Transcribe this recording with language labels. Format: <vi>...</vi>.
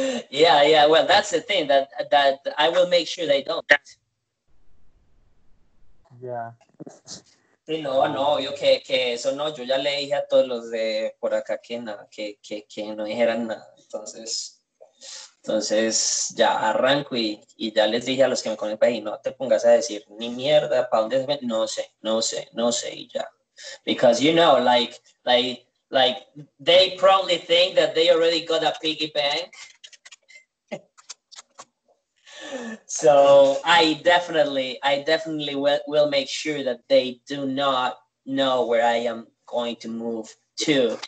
<en>yeah, well, that's the thing, that I will make sure they don't. Yeah.</en> <es>Sí, no, yo que eso no, yo ya le dije a todos los de por acá que nada, que no dijeran nada. Entonces, ya arranco y ya les dije a los que me conectan y no te pongas a decir ni mierda, ¿para dónde se ven? No sé, y ya.</es> <en>Because, you know, like they probably think that they already got a piggy bank. So I definitely will make sure that they do not know where I am going to move to.</en>